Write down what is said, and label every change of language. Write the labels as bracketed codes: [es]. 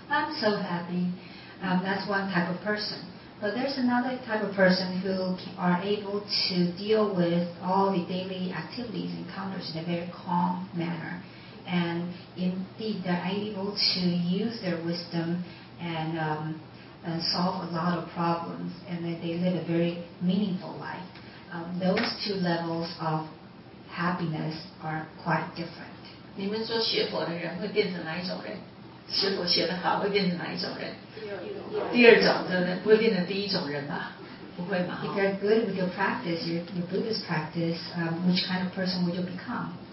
[en] I'm so happy. That's one type of person. But there's another type of person who are able to deal with all the daily activities and encounters in a very calm manner. And indeed, they're able to use their wisdom and solve a lot of problems, and that they live a very meaningful life. Those two levels of happiness are quite different. [zh] 你们说学佛的人会变成哪一种人？学佛学得好会变成哪一种人？第二种，对不对？不会变成第一种人吧？不会吧？ [en] If you're good with your practice, your Buddhist practice, which kind of person would you become?